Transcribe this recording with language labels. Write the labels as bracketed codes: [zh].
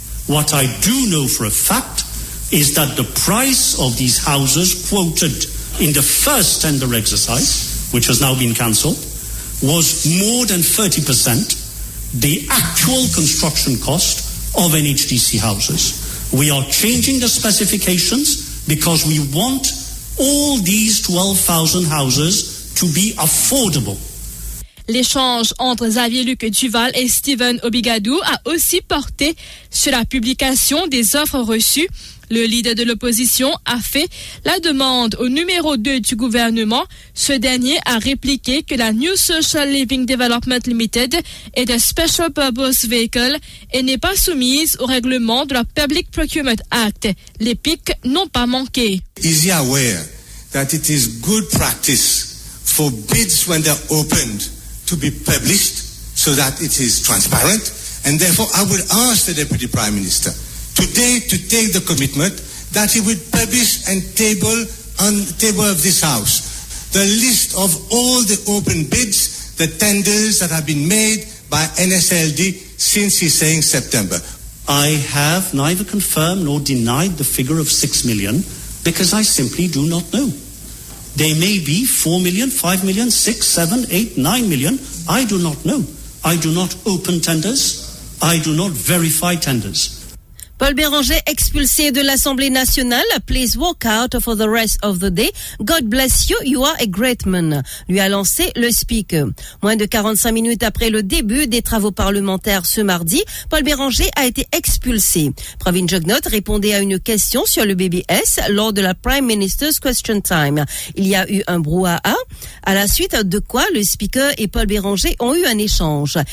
[en] What I do know for a fact is that the price of these houses quoted in the first tender exercise, which has now been cancelled, was more than 30% the actual construction cost of NHDC houses. We are changing the specifications because we want all these 12,000 houses to be affordable. [fr] L'échange entre Xavier-Luc Duval et Steven Obigadou a aussi porté sur la publication des offres reçues. Le leader de l'opposition a fait la demande au numéro 2 du gouvernement. Ce dernier a répliqué que la New Social Living Development Limited est un Special Purpose Vehicle et n'est pas soumise au règlement de la Public Procurement Act. Les pics n'ont pas manqué. [en] Is he aware that it is good practice for bids when they're opened to be published so that it is transparent? And therefore, I will ask the Deputy Prime Minister today to take the commitment that he will publish and table on the table of this House the list of all the open bids, the tenders that have been made by NSLD since he's saying September. I have neither confirmed nor denied the figure of 6 million because I simply do not know. They may be 4 million, 5 million, 6, 7, 8, 9 million. I do not know. I do not open tenders. I do not verify tenders. [fr] Paul Béranger expulsé de l'Assemblée nationale. [en] Please walk out for the rest of the day. God bless you. You are a great man. [fr] Lui a lancé le speaker. Moins de 45 minutes après le début des travaux parlementaires ce mardi, Paul Béranger a été expulsé. Pravin Jugnauth répondait à une question sur le BBS lors de la Prime Minister's Question Time. Il y a eu un brouhaha. À la suite de quoi, le speaker et Paul Béranger ont eu un échange.